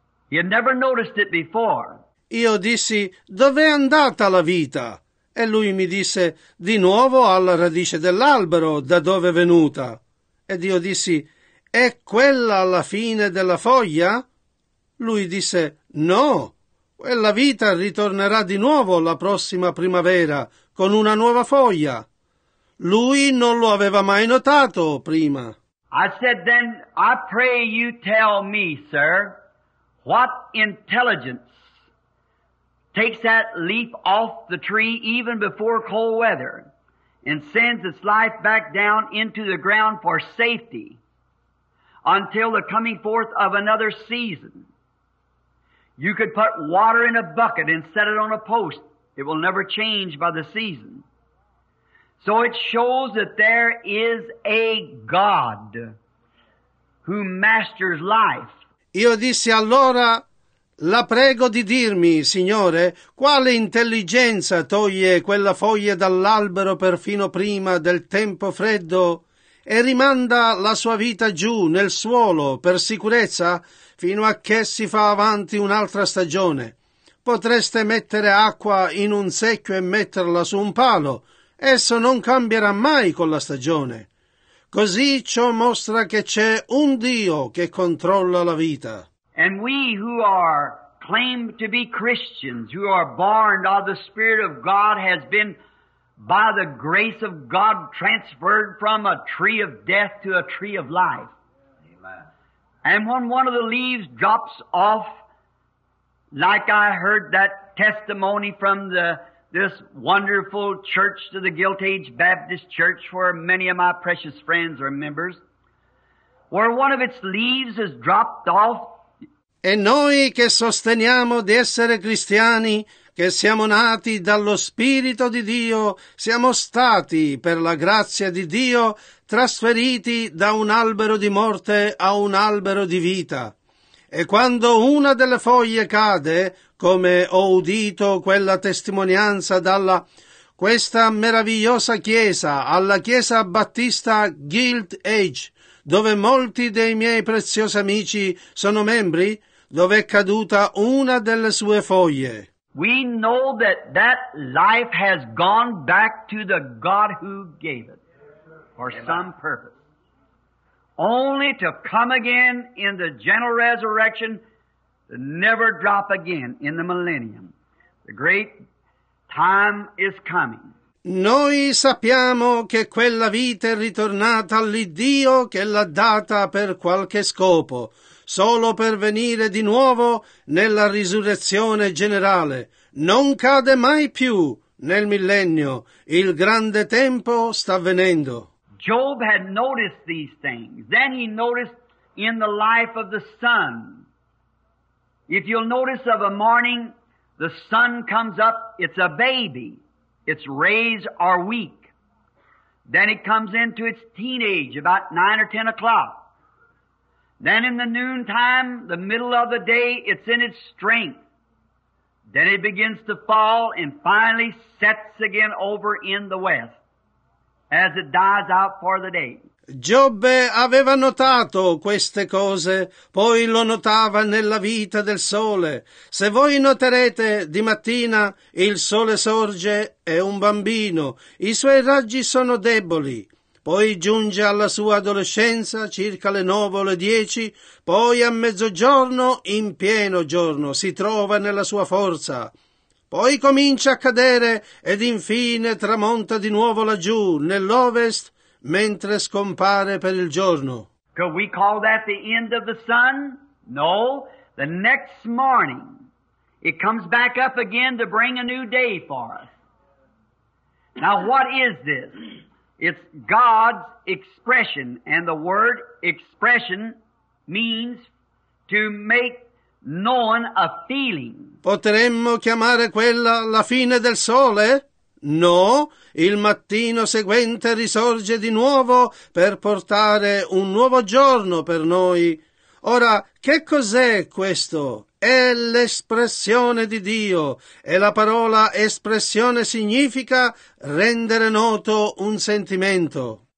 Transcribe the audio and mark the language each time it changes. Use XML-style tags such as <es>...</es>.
<en>He had never noticed it before.</en> <it>Io dissi, dov'è andata la vita? E lui mi disse, di nuovo alla radice dell'albero, da dove è venuta. Ed io dissi, è quella la fine della foglia? Lui disse, no. Quella vita ritornerà di nuovo la prossima primavera, con una nuova foglia. Lui non lo aveva mai notato prima.</it> <en>I said then, I pray you tell me, sir, what intelligence takes that leaf off the tree even before cold weather and sends its life back down into the ground for safety until the coming forth of another season. You could put water in a bucket and set it on a post. It will never change by the season. So it shows that there is a God who masters life.</en> <it>Io dissi allora, la prego di dirmi, Signore, quale intelligenza toglie quella foglia dall'albero perfino prima del tempo freddo e rimanda la sua vita giù nel suolo per sicurezza fino a che si fa avanti un'altra stagione. Potreste mettere acqua in un secchio e metterla su un palo. Esso non cambierà mai con la stagione. Così ciò mostra che c'è un Dio che controlla la vita.</it> <en>And we who are claimed to be Christians, who are born of the Spirit of God, has been by the grace of God transferred from a tree of death to a tree of life. And when one of the leaves drops off, like I heard that testimony from this wonderful church, to the Gilt Age Baptist Church, where many of my precious friends are members, where one of its leaves is dropped off.</en> <it>E noi che sosteniamo di essere cristiani, che siamo nati dallo Spirito di Dio, siamo stati, per la grazia di Dio, trasferiti da un albero di morte a un albero di vita. E quando una delle foglie cade, come ho udito quella testimonianza dalla questa meravigliosa chiesa, alla chiesa battista Gilt Age, dove molti dei miei preziosi amici sono membri, dove è caduta una delle sue foglie.</it> <en>We know that that life has gone back to the God who gave it for some purpose, only to come again in the general resurrection, to never drop again in the millennium. The great time is coming.</en> <it>Noi sappiamo che quella vita è ritornata all'Iddio che l'ha data per qualche scopo, solo per venire di nuovo nella risurrezione generale. Non cade mai più nel millennio. Il grande tempo sta venendo.</it> <en>Job had noticed these things. Then he noticed in the life of the sun. If you'll notice of a morning, the sun comes up, it's a baby. Its rays are weak. Then it comes into its teenage, about 9 or 10 o'clock. Then in the noontime, the middle of the day, it's in its strength. Then it begins to fall and finally sets again over in the west as it dies out for the day.</en> <it>Giobbe aveva notato queste cose, poi lo notava nella vita del sole. Se voi noterete, di mattina il sole sorge, è un bambino, i suoi raggi sono deboli. Poi giunge alla sua adolescenza, circa le 9 o le 10, poi a mezzogiorno, in pieno giorno, si trova nella sua forza. Poi comincia a cadere ed infine tramonta di nuovo laggiù, nell'ovest, mentre scompare per il giorno.</it> <en>Could we call that the end of the sun? No. The next morning, it comes back up again to bring a new day for us. Now, what is this? It's God's expression, and the word expression means to make known a feeling.</en> <it>Potremmo chiamare quella la fine del sole? No, il mattino seguente risorge di nuovo per portare un nuovo giorno per noi. Ora, che cos'è questo? È l'espressione di Dio, e la parola espressione significa rendere noto un sentimento.</it>